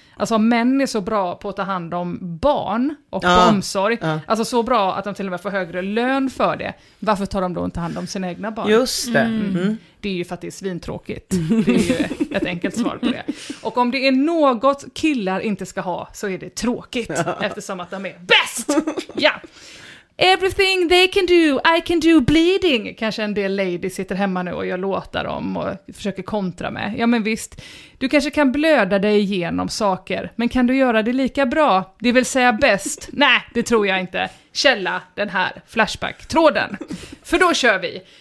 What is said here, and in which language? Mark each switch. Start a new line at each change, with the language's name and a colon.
Swedish: Alltså män är så bra på att ta hand om barn och omsorg. Ja. Alltså så bra att de till och med får högre lön för det. Varför tar de då inte hand om sina egna barn? Just det. Mm. Det är ju för att det är svintråkigt. Det är ju ett enkelt svar på det. Och om det är något killar inte ska ha så är det tråkigt. Ja. Eftersom att de är bäst! Ja!
English: Everything they can do, I can do bleeding.
Swedish: Kanske en del ladies sitter hemma nu och jag låter dem och försöker kontra med. Ja men visst, du kanske kan blöda dig igenom saker, men kan du göra det lika bra? Det vill säga bäst? Nej, det tror jag inte. Källa den här flashback-tråden. För då kör vi.